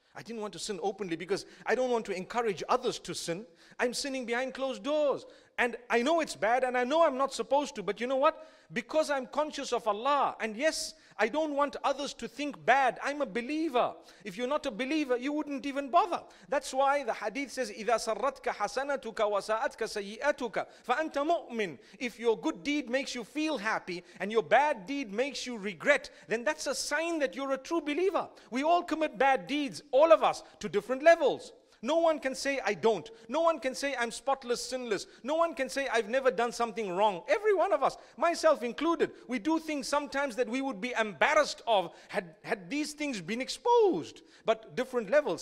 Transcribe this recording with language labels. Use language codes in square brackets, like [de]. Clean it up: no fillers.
[en] I didn't want to sin openly because I don't want to encourage others to sin. I'm sinning behind closed doors. And I know it's bad and I know I'm not supposed to. But you know what? Because I'm conscious of Allah. And yes, I don't want others to think bad. I'm a believer. If you're not a believer, you wouldn't even bother. That's why the hadith says, [ar] إِذَا سَرَّتْكَ حَسَنَتُكَ وَسَاءَتْكَ سَيِّئَتُكَ فَأَنْتَ مُؤْمِنٌ. [en] If your good deed makes you feel happy and your bad deed makes you regret, then that's a sign that you're a true believer. We all commit bad deeds, all of us, to different levels. No one can say, I don't. No one can say, I'm spotless, sinless. No one can say, I've never done something wrong. Every one of us, myself included, we do things sometimes that we would be embarrassed of had these things been exposed. But different levels.